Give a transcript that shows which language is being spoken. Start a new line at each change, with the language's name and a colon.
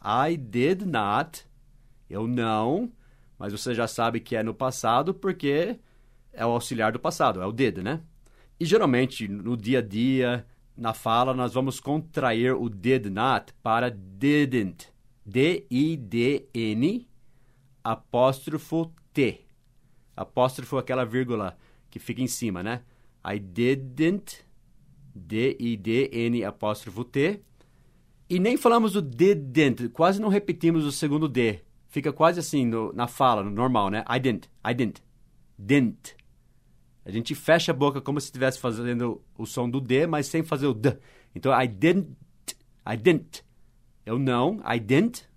English: I did not.
Portuguese: Eu não. Mas você já sabe que é no passado porque é o auxiliar do passado. É o did, né? E geralmente, no dia a dia, na fala, nós vamos contrair o did not para didn't. D-I-D-N, apóstrofo T. Apóstrofo é aquela vírgula que fica em cima, né?
English: I didn't, D-I-D-N, apóstrofo T.
Portuguese: E nem falamos o didn't, quase não repetimos o segundo D. Fica quase assim no, na fala, no normal, né?
English: I didn't, didn't.
Portuguese: A gente fecha a boca como se estivesse fazendo o som do D, mas sem fazer o D. Então,
English: I didn't.
Portuguese: Eu não,
English: I didn't.